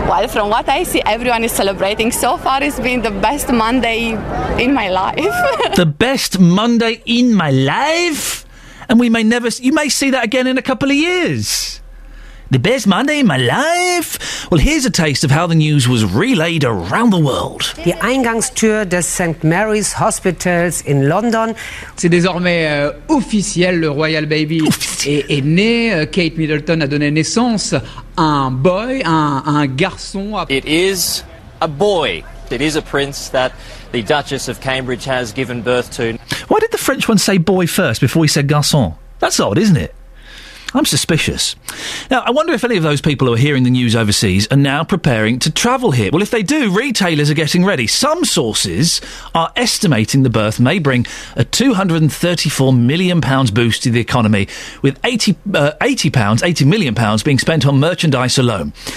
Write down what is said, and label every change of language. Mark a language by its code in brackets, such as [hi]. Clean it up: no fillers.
[en] Well, from what I see, everyone is celebrating. So far, it's been the best Monday in my life. The best Monday in my life? And we may never... You may see that again in a couple of years. The best Monday in my life? Well, here's a taste of how the news was relayed around the world. The [de] Eingangstür des St. Mary's Hospitals in London. [fr] C'est désormais officiel, le royal baby est né. Kate Middleton a donné naissance à un boy, un garçon. [en] It is a boy. It is a prince that the Duchess of Cambridge has given birth to. Why did the French one say boy first before he said garçon? That's odd, isn't it? I'm suspicious. Now, I wonder if any of those people who are hearing the news overseas are now preparing to travel here. Well, if they do, retailers are getting ready. Some sources are estimating the birth may bring a £234 million boost to the economy, with £80 million being spent on merchandise alone.